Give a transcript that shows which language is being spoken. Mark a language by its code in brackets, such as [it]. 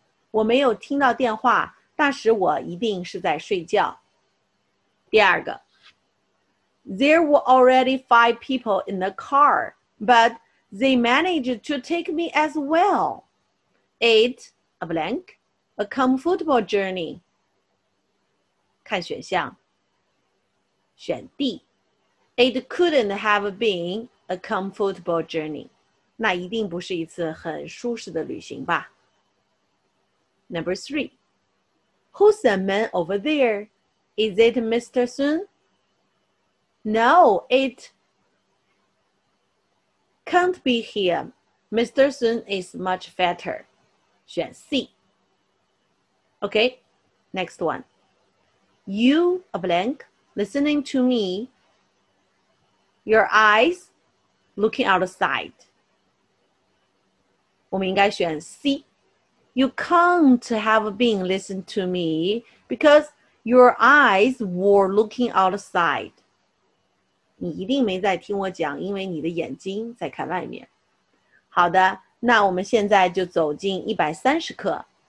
[zh] 我没有听到电话，那时我一定是在睡觉。第二个 [en] There were already 5 people in the car, but they managed to take me as well. It, a blank, a comfortable journey. [zh] 看选项，选 D, [en] It couldn't have been a comfortable journey. [zh] 那一定不是一次很舒适的旅行吧。 [en] Number three. Who's the man over there? Is it Mr. Sun? No, it can't be him. Mr. Sun is much fatter. [zh] 选 C. [en] Okay, next one. You, a blank, listening to me. Your eyes looking outside. [zh] 我们应该选 C. [en] You can't have been listening to me because your eyes were looking outside. [zh] 你一定没在听我讲，因为你的眼睛在看外面。好的，那我们现在就走进130课。